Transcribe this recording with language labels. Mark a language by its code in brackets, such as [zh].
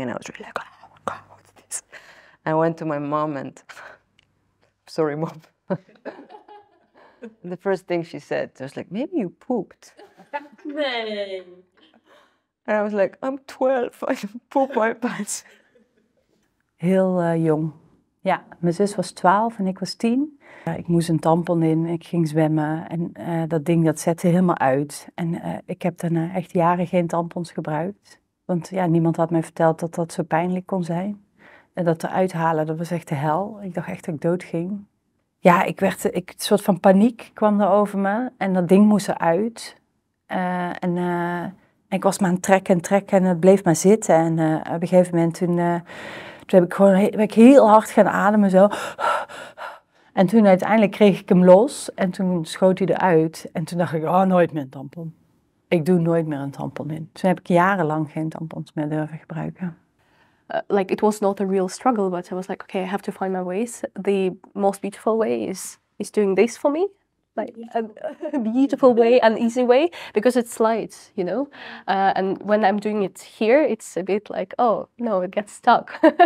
[en] And I was really like, oh my God, what's this? I went to my mom and... Sorry, mom. The first thing she said, I was like, maybe you pooped. And I was like, I'm 12, I poop my pants. [nl] Heel jong. Ja, mijn zus was 12 en ik was 10. Ik moest een tampon in, ik ging zwemmen en dat ding dat zette helemaal uit. En ik heb daarna echt jaren geen tampons gebruikt. Want ja, niemand had mij verteld dat dat zo pijnlijk kon zijn. En dat eruit halen, dat was echt de hel. Ik dacht echt dat ik doodging. Ja, een soort van paniek kwam er over me en dat ding moest eruit. En ik was maar aan het trekken en trekken en het bleef maar zitten. En op een gegeven moment toen heb ik gewoon heel hard gaan ademen zo. En toen uiteindelijk kreeg ik hem los en toen schoot hij eruit. En toen dacht ik, oh, nooit meer een tampon. Ik doe nooit meer een tampon in. Toen heb ik jarenlang geen tampons meer durven gebruiken. [en] Like, it was not a real struggle, but I was like, okay, I have to find my ways. The most beautiful way is doing this for me. Like, a beautiful way, an easy way, because it slides, you know? And when I'm doing it here, it's a bit like, oh, no, it gets stuck.